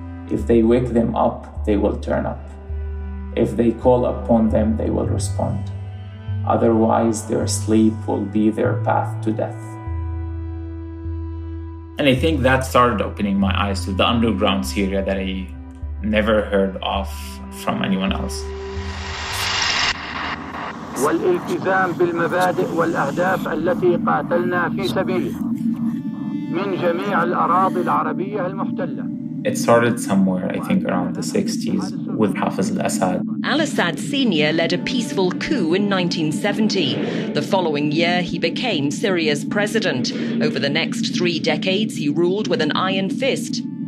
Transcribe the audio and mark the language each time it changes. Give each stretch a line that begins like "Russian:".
English: If they wake them up, they will turn up. If they call upon them, they will respond. Otherwise, their sleep will be their path to death. And I think that started opening my eyes to the underground Syria that I never heard of from anyone else.
Arabic: والالتزام بالمبادئ والأهداف التي قاتلنا في سبيلها من جميع الأراضي العربية المحتلة.
English: It started somewhere, I think, around the 60s with Hafez al-Assad. Al-Assad Sr. led a peaceful coup in 1970. The following year, he became Syria's president. Over the next three decades, he ruled with an iron fist.